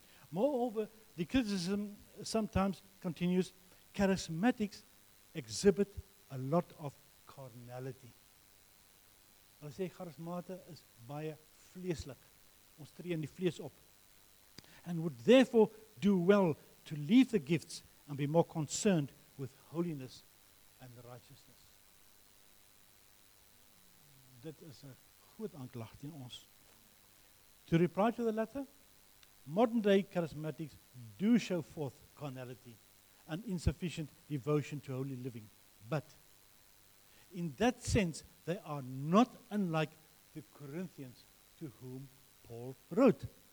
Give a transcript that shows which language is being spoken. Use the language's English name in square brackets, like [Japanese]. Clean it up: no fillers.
[English] Moreover, the criticism sometimes continues, charismatics exhibit a lot of carnality. [Afrikaans] Hulle sê charismate is baie vleeslik. Ons tree in die vlees op. [English] And would therefore do well to leave the gifts and be more concerned with holiness and righteousness. [Afrikaans] Dit is 'n groot aanklag teen ons. [English] To reply to the letter, modern day charismatics do show forth carnality and insufficient devotion to holy living. But in that sense, they are not unlike the Corinthians to whom Paul wrote.